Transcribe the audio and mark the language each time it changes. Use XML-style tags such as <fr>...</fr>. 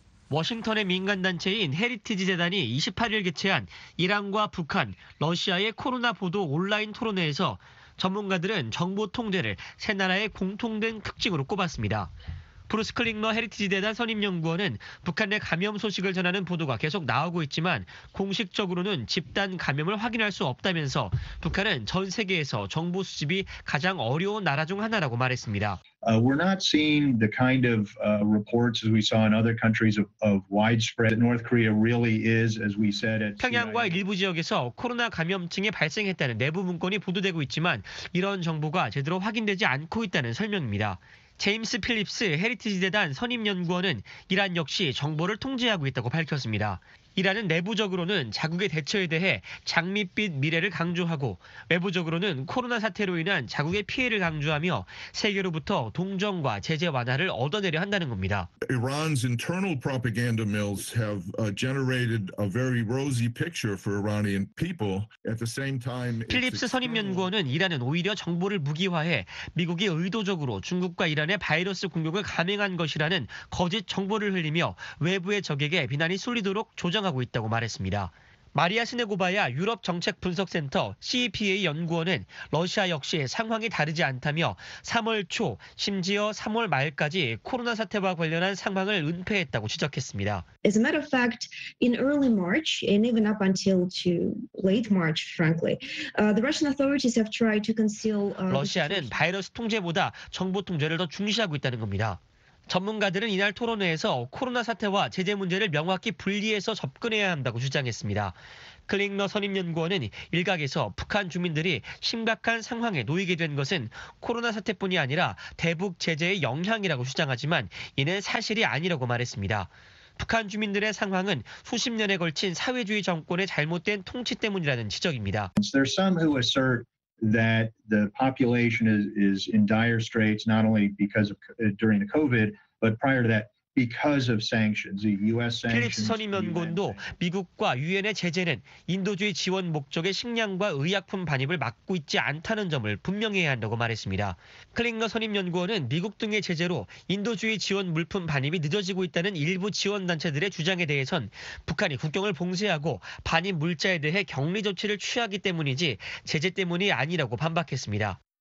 <ko>워싱턴의 민간단체인 헤리티지 재단이 28일 개최한 이란과 북한, 러시아의 코로나 보도 온라인 토론회에서 전문가들은 정보 통제를 세 나라의 공통된 특징으로 꼽았습니다. 브루스 클링머 헤리티지 재단 선임연구원은 북한 내 감염 소식을 전하는 보도가 계속 나오고 있지만 공식적으로는 집단 감염을 확인할 수 없다면서 북한은 전 세계에서 정보 수집이 가장 어려운 나라 중 하나라고 말했습니다.</ko> <en>We're not seeing the kind of reports as we saw in other countries of widespread. North Korea really is, as we said, at</en> <ko>평양과 일부 지역에서 코로나 감염증이 발생했다는 내부 문건이 보도되고 있지만 이런 정보가 제대로 확인되지 않고 있다는 설명입니다. 제임스 필립스 헤리티지 재단 선임연구원은 이란 역시 정보를 통제하고 있다고 밝혔습니다. 이란은 내부적으로는 자국의 대처에 대해 장밋빛 미래를 강조하고 외부적으로는 코로나 사태로 인한 자국의 피해를 강조하며 세계로부터 동정과 제재 완화를 얻어내려 한다는 겁니다.</ko> <en>Iran's internal propaganda mills have generated a very rosy picture for Iranian people. At the same time,</en> <ko>필립스 선임연구원은 이란은 오히려 정보를 무기화해 미국이 의도적으로 중국과 이란의 바이러스 공격을 감행한 것이라는 거짓 정보를 흘리며 외부의 적에게 비난이 쏠리도록 조정하고 있다고 말했습니다. 마리아 스네고바야 유럽정책분석센터 CEPA 연구원은 러시아 역시 상황이 다르지 않다며 3월 초 심지어 3월 말까지 코로나 사태와 관련한 상황을 은폐했다고 지적했습니다.</ko> <en>As a matter of fact, in early March and even up until to late March, frankly, the Russian authorities have tried to conceal.</en> <ko>러시아는 바이러스 통제보다 정보 통제를 더 중시하고 있다는 겁니다. 전문가들은 이날 토론회에서 코로나 사태와 제재 문제를 명확히 분리해서 접근해야 한다고 주장했습니다. 클링너 선임연구원은 일각에서 북한 주민들이 심각한 상황에 놓이게 된 것은 코로나 사태뿐이 아니라 대북 제재의 영향이라고 주장하지만 이는 사실이 아니라고 말했습니다. 북한 주민들의 상황은 수십 년에 걸친 사회주의 정권의 잘못된 통치 때문이라는 지적입니다.</ko> <en>There are some who assert that the population is in dire straits not only because of during the COVID but prior to that because of sanctions, the U.S. sanctions.</en> <ko>필립스 선임연구원도 미국과 유엔의 제재는 인도주의 지원 목적의 식량과 의약품 반입을 막고 있지 않다는 점을 분명히 해야 한다고 말했습니다. 클링너 선임연구원은 미국 등의 제재로 인도주의 지원 물품 반입이 늦어지고 있다는 일부 지원 단체들의 주장에 대해선 북한이 국경을 봉쇄하고 반입 물자에 대해 격리 조치를 취하기 때문이지 제재 때문이 아니라고 반박했습니다.</ko>